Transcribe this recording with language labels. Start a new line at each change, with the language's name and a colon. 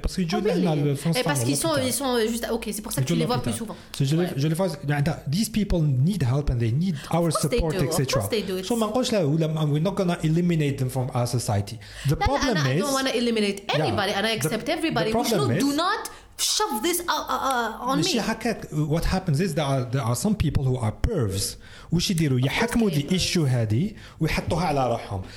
French: parce qu'ils sont juste c'est pour ça que tu les vois plus souvent. So je les vois.
English: These people need help and they need our support, etc. So my question is, we're not gonna eliminate them from our society. The problem is, I don't want to eliminate anybody, and I accept everybody. We should do not shove this on me. What happens is there are some people who are pervs.
Arabic: وش يديروا يحكموا
English: the issue
Arabic: هذه ويحطوها على رحهم.